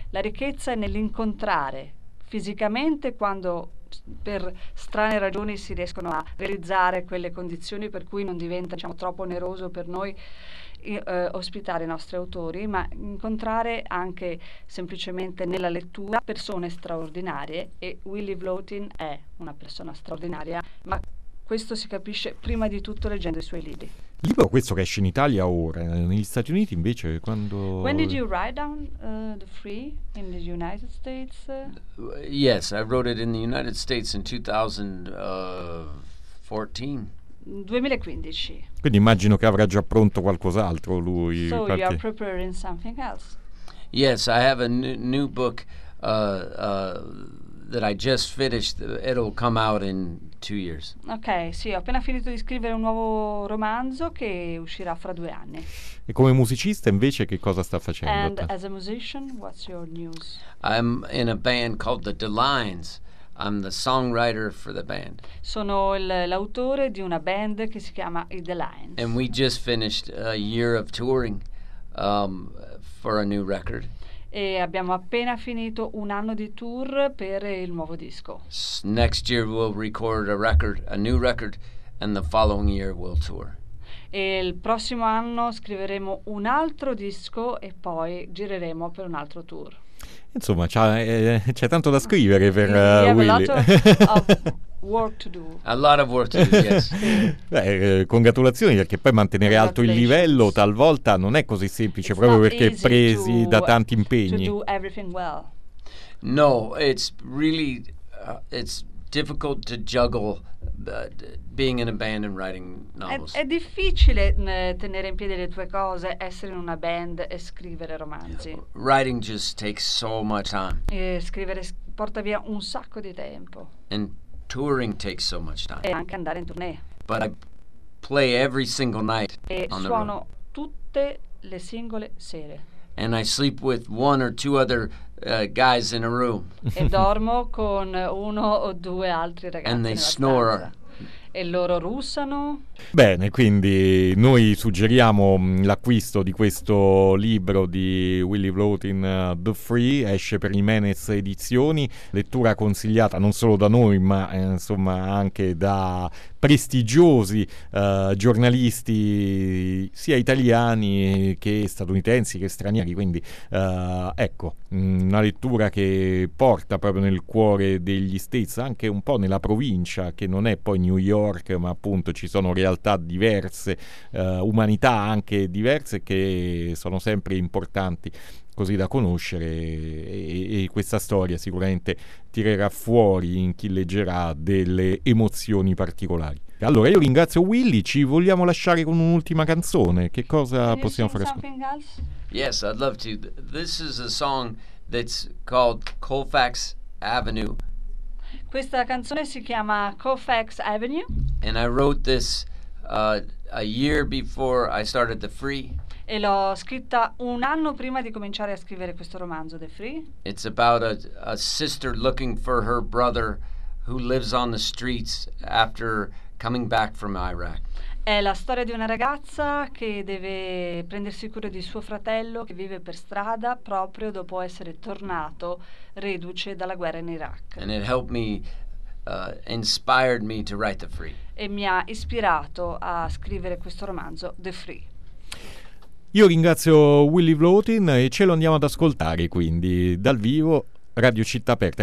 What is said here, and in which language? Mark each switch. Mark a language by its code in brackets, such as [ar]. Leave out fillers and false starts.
[it] La ricchezza è nell'incontrare fisicamente, quando per strane ragioni si riescono a realizzare quelle condizioni per cui non diventa, diciamo, troppo oneroso per noi ospitare i nostri autori, ma incontrare anche semplicemente nella lettura persone straordinarie, e Willy Bloughton è una persona straordinaria, ma questo si capisce prima di tutto leggendo i suoi libri. Libro questo che esce in Italia ora, negli Stati Uniti invece quando... [en] When did you write down The Free in the United States? Yes, I wrote it in the United States in 2014. 2015. [it] Quindi immagino che avrà già pronto qualcos'altro lui. So qualche... [en] you are preparing something else? Yes, I have a new book that I just finished. It'll come out in 2 years. [it] Ok, sì, ho appena finito di scrivere un nuovo romanzo che uscirà fra 2 anni. E come musicista invece che cosa sta facendo? [en] And as a musician, what's your news? I'm in a band called The Delines. I'm the songwriter for the band. [it] Sono l'autore di una band che si chiama I The Lines. [en] And we just finished a year of touring for a new record. [it] E abbiamo appena finito un anno di tour per il nuovo disco. [en] Next year we'll record a record, a new record, and the following year we'll tour. [it] E il prossimo anno scriveremo un altro disco e poi gireremo per un altro tour. Insomma, c'è tanto da scrivere per Willy. [en] Yeah, a lot of work to do, yes. [it] Beh, congratulazioni, perché poi mantenere alto il livello talvolta non è così semplice, [en] it's [it] proprio perché presi [en] to, [it] da tanti impegni. [en] To do everything well. No, it's really it's difficult to juggle being in a band and writing novels. [it] È difficile tenere in piedi le tue cose, essere in una band e scrivere romanzi. [en] Writing just takes so much time. [it] E scrivere porta via un sacco di tempo. [en] And touring takes so much time. [it] E anche andare in tournée. [en] But I play every single night. [it] E on suono [en] the road. [it] Tutte le singole sere. [en] And I sleep with one or two other guys in a room. [it] E dormo con uno o due altri ragazzi. [en] And they snore. [it] E loro russano. Bene, quindi noi suggeriamo l'acquisto di questo libro di Willie Vlotin, The Free, esce per i Menes Edizioni, lettura consigliata non solo da noi ma insomma anche da prestigiosi giornalisti sia italiani che statunitensi che stranieri, quindi ecco, una lettura che porta proprio nel cuore degli States, anche un po' nella provincia che non è poi New York, ma appunto ci sono realtà diverse, umanità anche diverse, che sono sempre importanti così da conoscere, e questa storia sicuramente tirerà fuori in chi leggerà delle emozioni particolari. Allora io ringrazio Willy, ci vogliamo lasciare con un'ultima canzone, che cosa possiamo fare? [en] Yes, I'd love to. This is a song that's called Colfax Avenue. [it] Questa canzone si chiama Colfax Avenue. [en] And I wrote this a year before I started The Free. [it] E l'ho scritta un anno prima di cominciare a scrivere questo romanzo, The Free. [en] It's about a sister looking for her brother who lives on the streets after coming back from Iraq. [it] È la storia di una ragazza che deve prendersi cura di suo fratello che vive per strada proprio dopo essere tornato reduce dalla guerra in Iraq. [en] And it helped me, inspired me to write The Free. [it] E mi ha ispirato a scrivere questo romanzo, The Free. Io ringrazio Willie Vlotin e ce lo andiamo ad ascoltare, quindi, dal vivo, Radio Città Aperta.